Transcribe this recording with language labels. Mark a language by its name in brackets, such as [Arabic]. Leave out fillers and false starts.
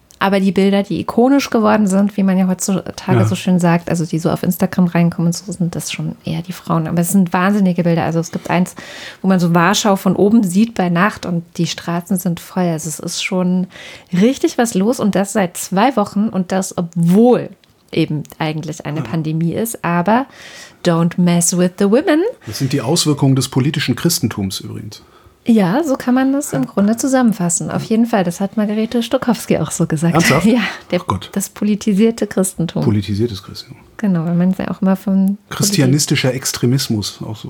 [German] Aber die Bilder, die ikonisch geworden sind, wie man ja heutzutage so schön sagt, also die so auf Instagram reinkommen und so, sind das schon eher die Frauen. Aber es sind wahnsinnige Bilder. Also es gibt eins, wo man so Warschau von oben sieht bei Nacht, und die Straßen sind voll. Also es ist schon richtig was los, und das seit 2 Wochen, und das obwohl eben eigentlich eine Pandemie ist. Aber [English] don't mess with the women. [German] Das sind die Auswirkungen des politischen Christentums übrigens. Ja, so kann man das im Grunde zusammenfassen. Auf jeden Fall, das hat Margarete Stokowski auch so gesagt. Ernsthaft? Ja, das politisierte Christentum. Politisiertes Christentum. Genau, weil man es ja auch immer von christianistischer Extremismus auch so.